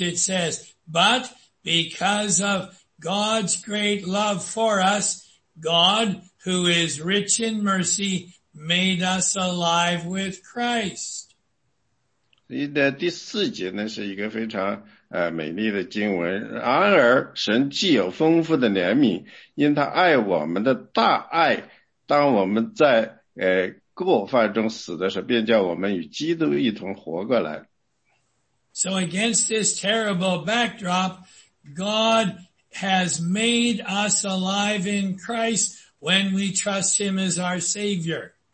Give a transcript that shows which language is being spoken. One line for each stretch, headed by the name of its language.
English: It says, but because of God's great love for us, God, who is rich in mercy, made us alive with Christ.
Chinese: 第四节呢是一个非常美丽的经文。然而神既有丰富的怜悯，因他爱我们的大爱，当我们在过犯中死的时候，便叫我们与基督一同活过来。
English: So against this terrible backdrop, God has made us alive in Christ when we trust him as our Savior.